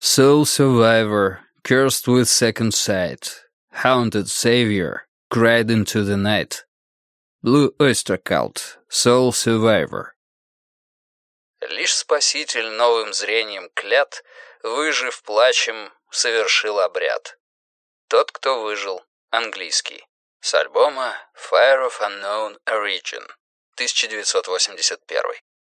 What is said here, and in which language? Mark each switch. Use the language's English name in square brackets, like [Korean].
[English] Soul survivor, cursed with second sight, haunted savior, cried into the night. Blue Oyster Cult, soul survivor. [Russian] Лишь спаситель новым зрением клят, выжив плачем, совершил обряд. Тот, кто выжил, английский. С альбома Fire of Unknown Origin, 1981.